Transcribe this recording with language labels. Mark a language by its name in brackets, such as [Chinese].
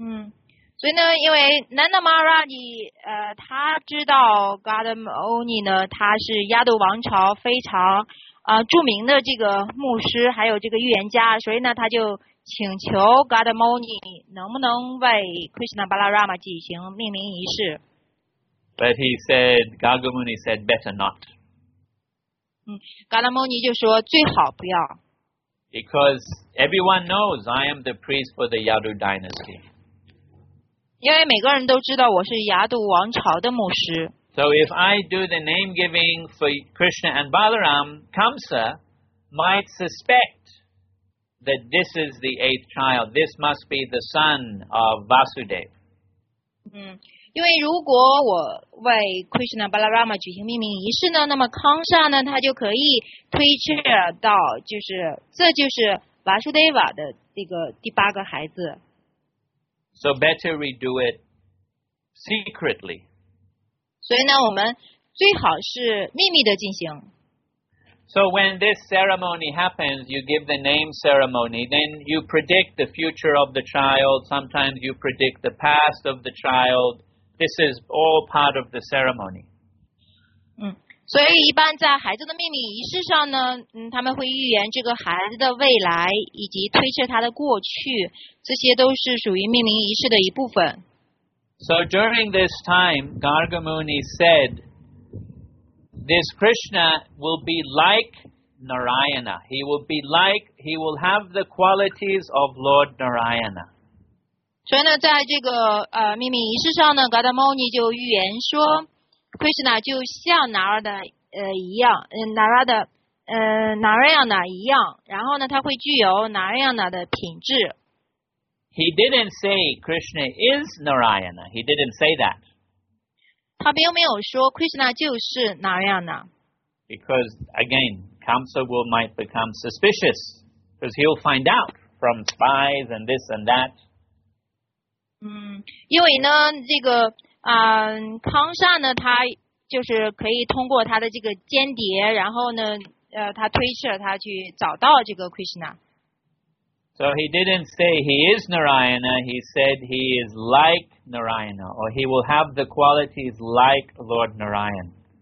[Chinese] 所以呢，因为 Nanda Maharani 他知道 Gautam Oni 呢，他是亚都王朝非常著名的这个牧师，还有这个预言家，所以呢，他就请求 Gautam Oni 能不能为 Krishna Balarama 举行命名仪式。 [English] But he said, Gautam Oni said, better not. [Chinese] Gautam Oni 就说最好不要。 [English] Because everyone knows I am the priest for the Yadu dynasty. [Chinese] 因为每个人都知道我是亚都王朝的牧师。 [English] So if I do the name giving for Krishna and Balaram, Kamsa might suspect that this is the eighth child. This must be the son of Vasudev. [Chinese] 因为如果我为 Krishna Balarama 举行命名仪式呢，那么康萨呢，他就可以推测到，就是这就是 Vasudeva 的这个第八个孩子。 [English] So better we do it secretly. [Chinese] 所以呢，我们最好是秘密的进行。 [English] So when this ceremony happens, you give the name ceremony, then you predict the future of the child. Sometimes you predict the past of the child. This is all part of the ceremony. [Chinese] 所以一般在孩子的命名仪式上呢，他们会预言这个孩子的未来以及推测他的过去，这些都是属于命名仪式的一部分。 [English] So during this time, Gargamuni said, this Krishna will be like Narayana. He will have the qualities of Lord Narayana. [Chinese] 所以呢，在这个秘密仪式上呢， Gautam Oni 就预言说 ，Krishna 就像Narayana 一样，然后呢，他会具有 Narayana 的品质。 [English] He didn't say Krishna is Narayana. He didn't say that. [Chinese] 他并没有说 Krishna 就是 Narayana. [English] Because again, Kamsa might become suspicious because he'll find out from spies and this and that. [Chinese] 因为呢，这个康萨呢，他就是可以通过他的这个间谍，然后呢，他推测他去找到这个 Krishna。 [English] So he didn't say he is Narayana. He said he is like Narayana, or he will have the qualities like Lord Narayana.